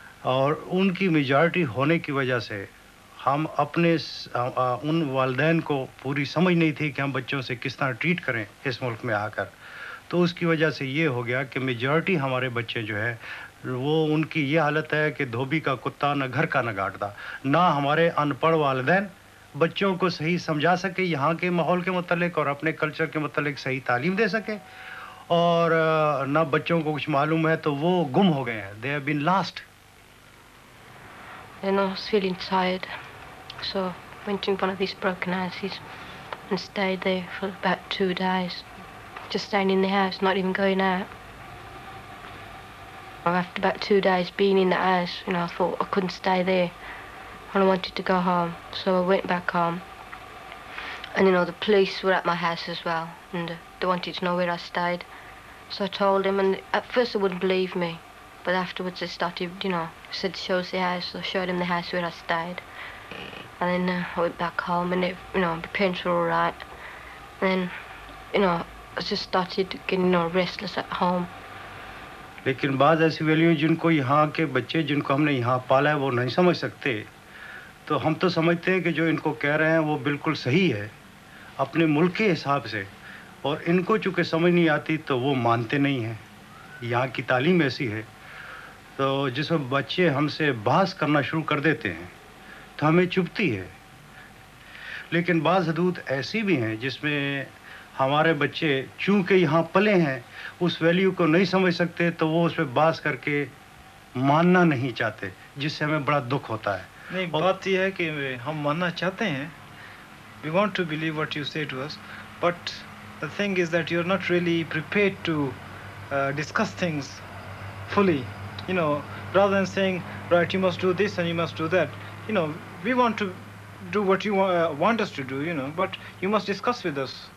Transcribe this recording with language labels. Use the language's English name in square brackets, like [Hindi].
[Hindi] और उनकी मेजॉरिटी होने की वजह से हम अपने उन वालदैन को पूरी समझ नहीं थी कि हम बच्चों से किस तरह ट्रीट करें इस मुल्क में आकर तो उसकी वजह से ये हो गया कि मेजॉरिटी हमारे बच्चे जो है वो उनकी ये हालत है कि धोबी का कुत्ता न घर का न गाटता ना हमारे अनपढ़ वालदैन बच्चों को सही समझा सके यहाँ के माहौल के मुतलिक और अपने कल्चर के मुतलिक सही तालीम दे सके और ना बच्चों को कुछ मालूम है तो वो गुम हो गए हैं [English] They have been lost And I was feeling tired, so I went in one of these broken houses and stayed there for about 2 days, just staying in the house, not even going out. Well, after about 2 days being in the house, you know, I thought I couldn't stay there and I wanted to go home, so I went back home. And, you know, the police were at my house as well and they wanted to know where I stayed. So I told them and at first they wouldn't believe me. But afterwards they started, you know, said show us the house, so I showed them the house where I stayed. And then I went back home and, you know, my parents were all right. And then, you know, I just started getting, you know, restless at home. [Hindi] लेकिन बाद ऐसी वाली हैं जिनको यहाँ के बच्चे जिनको हमने यहाँ पाला है वो नहीं समझ सकते तो हम तो समझते हैं कि जो इनको कह रहे हैं वो बिल्कुल सही है अपने मुल्क के हिसाब से और इनको चूंकि समझ नहीं आती तो वो मानते नहीं हैं यहाँ की तालीम ऐसी है तो जिस बच्चे हमसे बहस करना शुरू कर देते हैं तो हमें चुभती है लेकिन बाज़ हदूद ऐसी भी हैं जिसमें हमारे बच्चे चूंकि यहाँ पले हैं उस वैल्यू को नहीं समझ सकते तो वो उस पर बहस करके मानना नहीं चाहते जिससे हमें बड़ा दुख होता है नहीं और... बात यह है कि हम मानना चाहते हैं [English] We want to believe what you say to us but the thing is that you are not really prepare to discuss things fully You know, rather than saying, right, you must do this and you must do that, you know, we want to do what you want us to do, you know, but you must discuss with us.